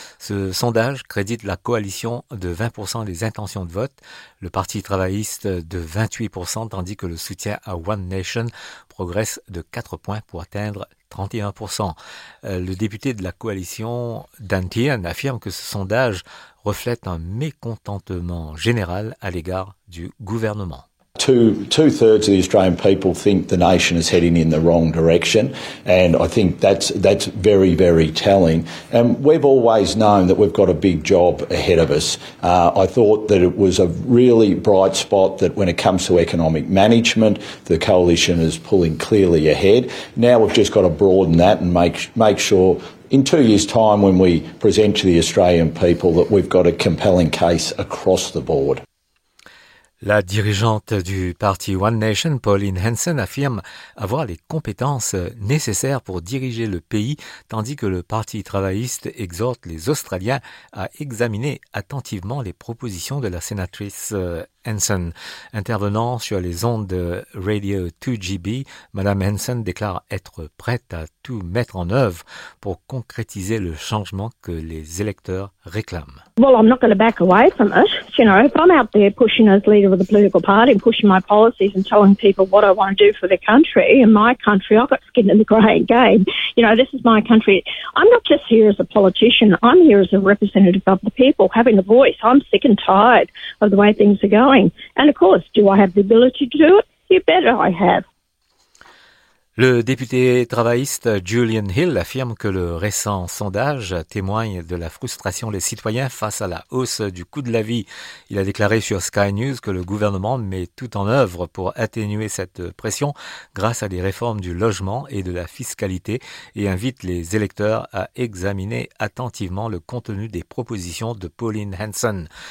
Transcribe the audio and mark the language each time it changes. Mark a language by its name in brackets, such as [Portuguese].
[French] Ce sondage crédite la coalition de 20% des intentions de vote, le Parti travailliste de 28%, tandis que le soutien à One Nation progresse de 4 points pour atteindre 31%. Le député de la coalition, Dan Tehan, affirme que ce sondage reflète un mécontentement général à l'égard du gouvernement. [English] Two-thirds of the Australian people think the nation is heading in the wrong direction, and I think that's very, very telling. And we've always known that we've got a big job ahead of us. I thought that it was a really bright spot that when it comes to economic management, the coalition is pulling clearly ahead. Now we've just got to broaden that and make sure in 2 years' time when we present to the Australian people that we've got a compelling case across the board. [French] La dirigeante du parti One Nation, Pauline Hanson, affirme avoir les compétences nécessaires pour diriger le pays, tandis que le parti travailliste exhorte les Australiens à examiner attentivement les propositions de la sénatrice Hanson. Intervenant sur les ondes de Radio 2GB, Madame Hanson déclare être prête à tout mettre en œuvre pour concrétiser le changement que les électeurs réclament. [English] Well, I'm not going to back away from it. You know, if I'm out there pushing as leader of the political party, pushing my policies and telling people what I want to do for their country, in my country, I've got skin in the game. You know, this is my country. I'm not just here as a politician. I'm here as a representative of the people, having a voice. I'm sick and tired of the way things are going. And of course, do I have the ability to do it? You bet I have. [French] Le député travailliste Julian Hill affirme que le récent sondage témoigne de la frustration des citoyens face à la hausse du coût de la vie. Il a déclaré sur Sky News que le gouvernement met tout en œuvre pour atténuer cette pression grâce à des réformes du logement et de la fiscalité et invite les électeurs à examiner attentivement le contenu des propositions de Pauline Hanson.